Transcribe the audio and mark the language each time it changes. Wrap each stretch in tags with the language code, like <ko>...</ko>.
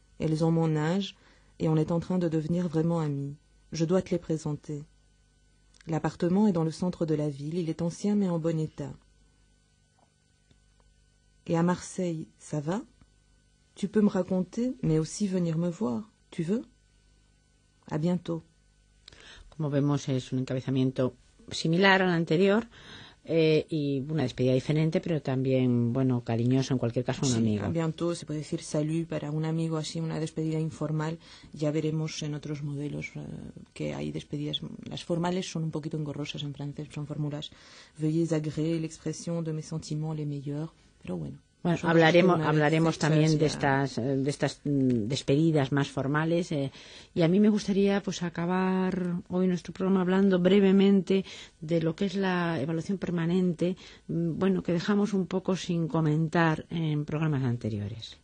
<fr>Elles ont mon âge et on est en train de devenir vraiment amies. Je dois te les présenter. L'appartement est dans le centre de la ville. Il est ancien mais en bon état. Et à Marseille, ça va? Tu peux me raconter, mais aussi venir me voir. Tu veux? À bientôt.</fr> <es>Como vemos, es un encabezamiento similar al anterior y una despedida diferente, pero también, bueno, cariñoso, en cualquier caso, un amigo. Sí,</es> <fr>a bientôt,</fr> <es>se puede decir salut para un amigo, así una despedida informal. Ya veremos en otros modelos que hay despedidas. Las formales son un poquito engorrosas en francés, son fórmulas.</es> <fr>Veuillez agréer l'expression de mes sentiments les meilleurs,</fr> <es>pero bueno. Bueno, hablaremos también de estas despedidas más formales. Y a mí me gustaría pues acabar hoy nuestro programa hablando brevemente de lo que es la evaluación permanente, bueno, que dejamos un poco sin comentar en programas anteriores.</es>